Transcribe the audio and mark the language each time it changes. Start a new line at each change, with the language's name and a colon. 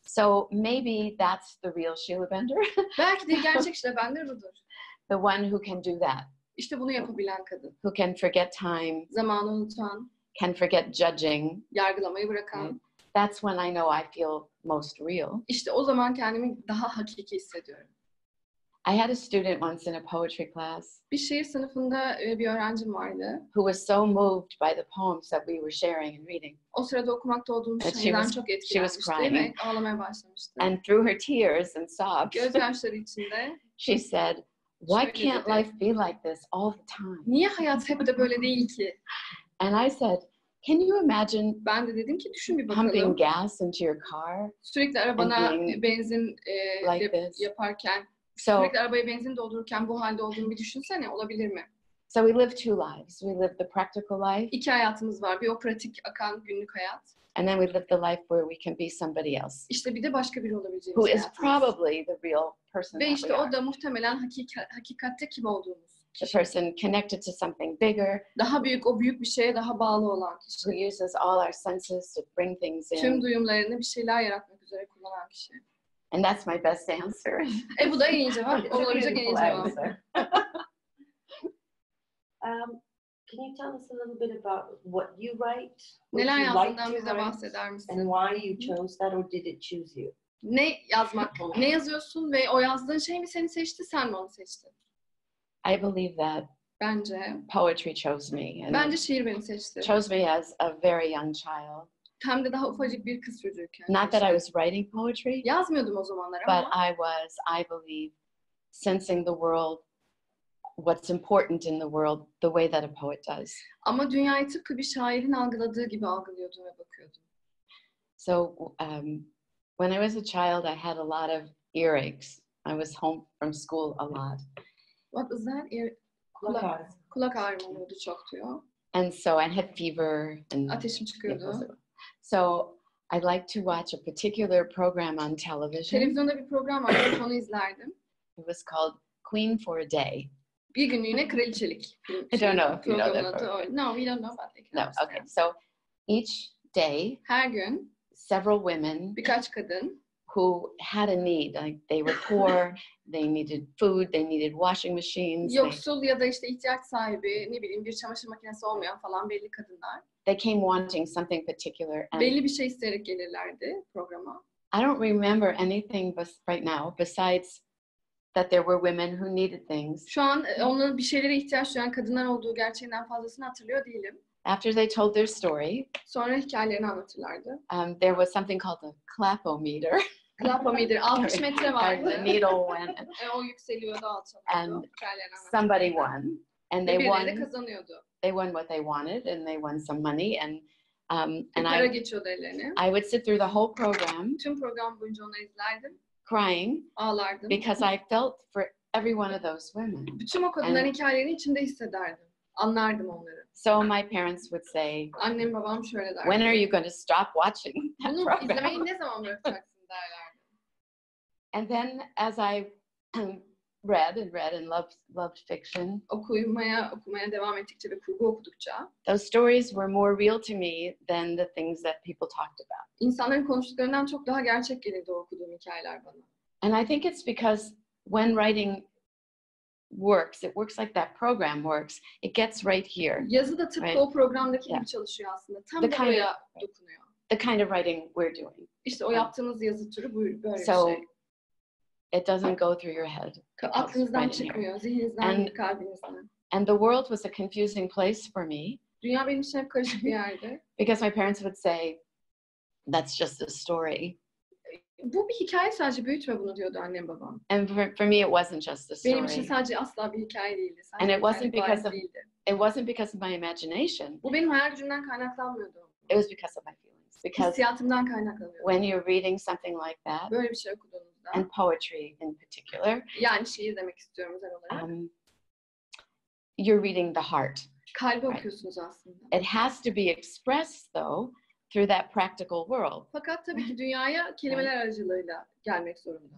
English: So maybe that's the real Sheila Bender.
Turkish: Belki de gerçek Sheila Bender budur.
English: The one who can do that.
Turkish: İşte bunu yapabilen kadın.
English: Who can forget time.
Turkish: Zamanı unutan.
English: Can forget judging.
Turkish: Yargılamayı bırakan.
English: That's when I know I feel most real.
Turkish: İşte o zaman kendimi daha hakiki hissediyorum.
English: I had a student once in a poetry class.
Turkish: Bir şiir sınıfında bir öğrencim vardı.
English: Who was so moved by the poems that we were sharing and reading.
Turkish: O sırada okumakta olduğumuz şeyden çok etkilenmişti ve ağlamaya başlamıştı.
English: And through her tears and sobs.
Turkish: Gözyaşları içinde.
English: She said, "Why can't life be like this all the time?"
Turkish: Niye hayat hep de böyle değil ki?
English: And I said, "Can you imagine?"
Turkish: Ben de dedim ki, düşün bir bakalım.
English: Pumping gas into your car.
Turkish: Sürekli arabana benzin yaparken. So, sürekli arabaya benzin doldururken bu halde olduğunu bir düşünsene, olabilir mi?
English: So we live two lives. We live the practical life.
Turkish: İki hayatımız var. Bir o pratik akan günlük hayat.
English: And then we live the life where we can be somebody else.
Turkish: İşte bir de başka biri olabileceğimiz hayatımız.
English: Is probably the real person.
Turkish: Ve işte o da muhtemelen hakikatte kim olduğumuz kişi.
English: The person connected to something bigger.
Turkish: Daha büyük, o büyük bir şeye daha bağlı olan kişi.
English: Who uses all our senses to bring things in.
Turkish: Tüm duyumlarını bir şeyler yaratmak üzere kullanan kişi.
English: And that's my best answer.
Turkish: Bu da en iyi cevap. Olabilecek en iyi cevap.
English: Can you tell us a little bit about what you write?
Turkish: Neler yazdığından bize bahseder misin?
English: And why you chose that or did it choose you?
Turkish: Ne yazmak? Ne yazıyorsun ve o yazdığın şey mi seni seçti, sen mi onu seçtin?
English: I believe that.
Turkish: Bence.
English: Poetry chose me.
Turkish: And bence şiir beni seçti.
English: Chose me as a very young child.
Turkish: Tam da daha ufacık bir kız çocukken.
English: Not that I was writing poetry.
Turkish: Yazmıyordum o zamanlar ama.
English: But I was, I believe, sensing the world, what's important in the world, the way that a poet does.
Turkish: Ama dünyayı tıpkı bir şairin algıladığı gibi algılıyordum ve bakıyordum.
English: So, when I was a child, I had a lot of earaches. I was home from school a lot. What was that?
Turkish: Kulak ağrım oluyordu çok diyor.
English: And so I had fever. And
Turkish: ateşim çıkıyordu.
English: So I like to watch a particular program on television.
Turkish: Televizyonda bir program vardı, onu izlerdim.
English: It was called Queen for a Day.
Turkish: Bir günlüğüne kraliçelik.
English: I don't know if you know that. No, we don't know about that. No, okay. So each day,
Turkish: her gün,
English: several women,
Turkish: birkaç kadın,
English: who had a need, like they were poor, they needed food, they needed washing machines.
Turkish: Yoksul ya da işte ihtiyaç sahibi, ne bileyim bir çamaşır makinesi olmayan falan belli kadınlar.
English: They came wanting something particular.
Turkish: And belli bir şey isteyerek gelirlerdi programa.
English: I don't remember anything right now besides that there were women who needed things.
Turkish: Şu an onların bir şeylere ihtiyaç duyan kadınlar olduğu gerçeğinden fazlasını hatırlıyor değilim.
English: After they told their story,
Turkish: sonra hikayelerini anlatırlardı.
English: There was something called a clapometer.
Turkish: Clapometer, alkış metre vardı.
English: The needle went.
Turkish: O yükseliyordu, alçalıyordu.
English: And somebody won, and they won.
Turkish: Birileri kazanıyordu.
English: They won what they wanted, and they won some money, and
Turkish: para geçiyordu ellerine.
English: I would sit through the whole program.
Turkish: Tüm program boyunca onu izlerdim.
English: Crying.
Turkish: Ağlardım.
English: Because I felt for every one of those women.
Turkish: Bütün o kadınların hikayelerini içimde hissederdim. Anlardım onları.
English: So my parents would say,
Turkish: annem babam şöyle derdi,
English: when are you going to stop watching that
Turkish: bunu
English: program?
Turkish: İzlemeyi ne zaman bırakacaksın derlerdi.
English: And then as I read and loved fiction,
Turkish: okumaya devam ettikçe ve kurgu okudukça,
English: those stories were more real to me than the things that people talked about.
Turkish: İnsanların konuştuklarından çok daha gerçek gelirdi okuduğum hikayeler bana.
English: And I think it's because when writing works, it works like that program works, it gets right here.
Turkish: Yazı da tıpkı right? O programdaki gibi çalışıyor aslında. Tam buraya dokunuyor.
English: The kind of writing we're doing.
Turkish: İşte o yaptığımız yazı türü böyle bir şey.
English: So it doesn't go through your head.
Turkish: Aklınızdan çıkmıyor, zihninizden, kalbinizden.
English: And the world was a confusing place for me.
Turkish: Dünya benim için hep karışık bir yerde.
English: Because my parents would say, that's just a story.
Turkish: Bu bir hikaye, sadece büyütme bunu diyordu annem babam.
English: And for me it wasn't just a story.
Turkish: Benim için sadece asla bir hikaye değildi. Sadece
English: and it wasn't because of
Turkish: değildi.
English: It wasn't because of my imagination.
Turkish: Bu benim hayal gücümden kaynaklanmıyordu.
English: It was because of my feelings. Because
Turkish: hissiyatımdan kaynaklanıyordu.
English: When you're reading something like that.
Turkish: Böyle bir şey okuduğunuzda.
English: And poetry in particular.
Turkish: Yani şiir demek istiyorum özel olarak.
English: You're reading the heart.
Turkish: Kalbi right? Okuyorsunuz aslında.
English: It has to be expressed though through that practical world.
Turkish: Fakat tabii ki dünyaya kelimeler aracılığıyla gelmek zorunda.